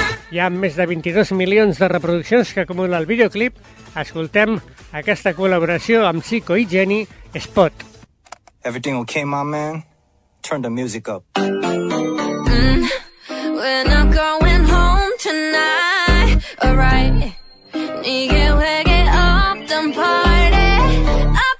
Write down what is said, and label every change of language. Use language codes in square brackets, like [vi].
[ca] Hi ha més de 22 milions de reproduccions que acumula el videoclip. Escoltem aquesta col·laboració amb Sico i Jenny, Spot. [en] Everything okay, my man? Turn the music up. We're not going home tonight, alright. [ko] 네게 회개 없던 party.